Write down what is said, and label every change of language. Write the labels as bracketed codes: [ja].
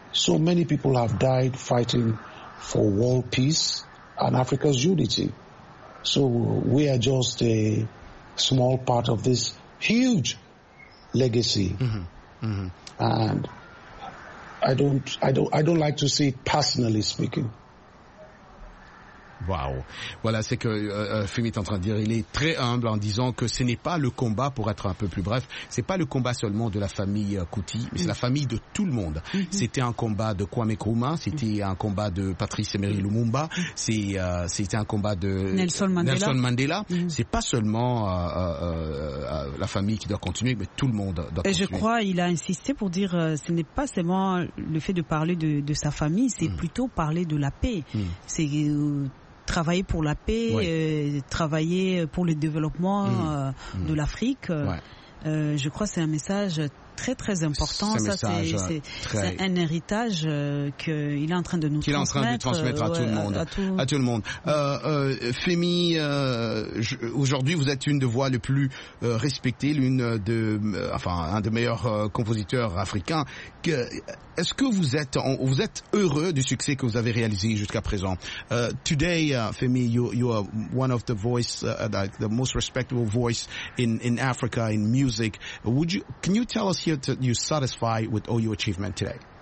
[en] So many people have died fighting for world peace and Africa's unity. So we are just a small part of this huge legacy. And I don't like to see it personally speaking. Wow. [fr] Voilà, c'est que Femi est en train de dire, il est très humble en disant que ce n'est pas le combat, pour être un peu plus bref, c'est pas le combat seulement de la famille Kuti, mais c'est la famille de tout le monde. C'était un combat de Kwame Nkrumah, c'était un combat de Patrice Emery Lumumba, c'était un combat de Nelson Mandela. C'est pas seulement la famille qui doit continuer, mais tout le monde doit continuer. Et je crois il a insisté pour dire ce n'est pas seulement le fait de parler de sa famille, c'est plutôt parler de la paix. C'est travailler pour la paix, travailler pour le développement de l'Afrique. Je crois que c'est un message très très important. C'est un héritage qu'il est en train de nous transmettre à tout le monde. Femi, aujourd'hui vous êtes une des voix les plus respectées, un des meilleurs compositeurs africains. Est-ce que vous êtes heureux du succès que vous avez réalisé jusqu'à présent? [en] Today, Femi, you are one of the voice, the most respectable voice in Africa in music. Can you tell us here that you're satisfied with all your achievement today?